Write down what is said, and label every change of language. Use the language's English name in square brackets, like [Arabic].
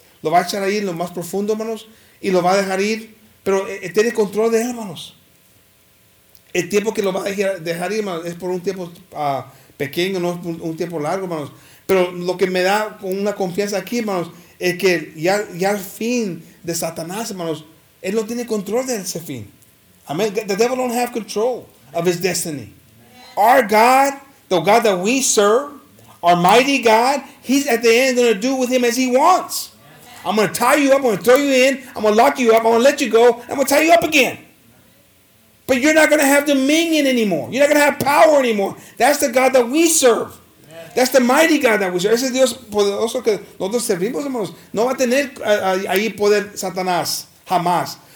[Spanish] Lo va a echar ahí en lo más profundo, manos, y lo va a dejar ir. Pero tiene control de él, hermanos. El tiempo que lo va a dejar ir, hermanos, es por un tiempo pequeño, no es un tiempo largo, hermanos. Pero lo que me da una confianza aquí, hermanos, es que ya el fin de Satanás, hermanos, él no tiene control de ese fin. Amen. [English] The devil don't have control of his destiny. Our God, the God that we serve, our mighty God, he's at the end going to do with him as he wants. I'm going to tie you up, I'm going to throw you in, I'm going to lock you up, I'm going to let you go, I'm going to tie you up again. But you're not going to have dominion anymore. You're not going to have power anymore. That's the God that we serve. That's the mighty God that we serve. [Spanish] Ese Dios poderoso que nosotros servimos, hermanos, no va a tener ahí poder Satanás, jamás.